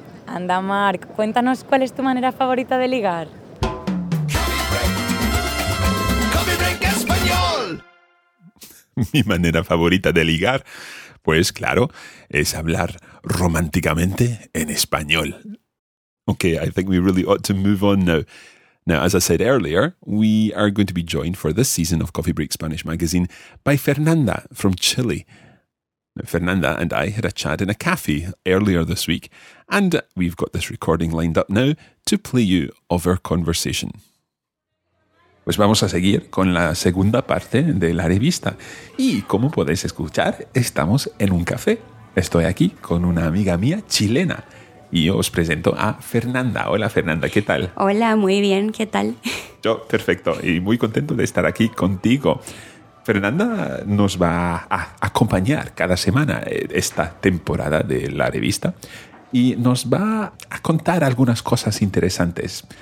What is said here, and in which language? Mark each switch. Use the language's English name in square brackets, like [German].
[Spanish] Anda, Marc, cuéntanos cuál es tu manera favorita de ligar. [English] Coffee break. Coffee break español. [Spanish] Mi manera favorita de ligar. Pues claro, es hablar románticamente en español. [English] Okay, I think we really ought to move on now. Now, as I said earlier, we are going to be joined for this season of Coffee Break Spanish magazine by Fernanda from Chile. Now, Fernanda and I had a chat in a cafe earlier this week, and we've got this recording lined up now to play you of our conversation. [Spanish] Pues vamos a seguir con la segunda parte de la revista. Y como podéis escuchar, estamos en un café. Estoy aquí con una amiga mía chilena. y yo os presento a Fernanda. Hola, Fernanda, ¿qué tal? Hola, muy bien, ¿qué tal? Yo, perfecto, y muy contento de estar aquí contigo. Fernanda nos va a acompañar cada semana esta temporada de la revista y nos va a contar algunas cosas interesantes.